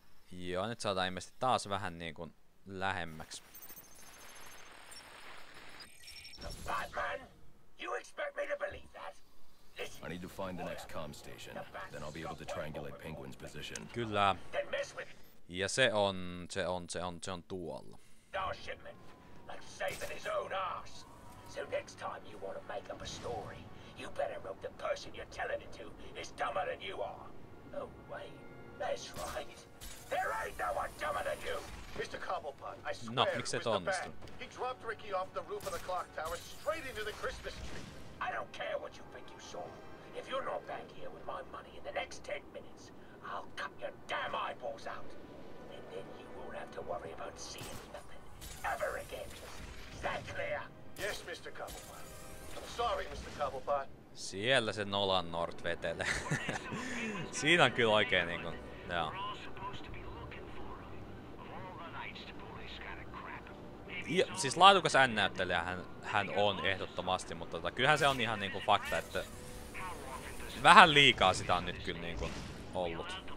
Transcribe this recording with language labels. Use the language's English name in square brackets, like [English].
[Finnish] Joo, nyt saadaan ilmeisesti taas vähän niinku lähemmäksi. [English] The Batman? You expect me to believe that? Listen. I need to find the next comm station. Then I'll be able to triangulate Penguin's position. [Finnish] Kyllä. Ja se on tuolla. [English] Our shipment. Like saving his own ass. So next time you want to make up a story, you better hope the person you're telling it to is dumber than you are. No way. That's right. There ain't no one dumber than you! Mr. Cobblepot, I swear, not mixed on the bat. He dropped Ricky off the roof of the clock tower straight into the Christmas tree. I don't care what you think you saw. If you're not back here with my money in the next 10 minutes, I'll cut your damn eyeballs out. And then you won't have to worry about seeing nothing ever again. Is that clear? Yes, Mr. Cobblepot. I'm sorry, Mr. Cobblepot. [Finnish] Siellä se Nolan North vetele. Siinä on kyllä oikein niinku, joo. Ja, siis laadukas N-näyttelijä hän on ehdottomasti, mutta tota, kyllähän se on ihan niinku fakta, että vähän liikaa sitä on nyt kyllä niinku ollut.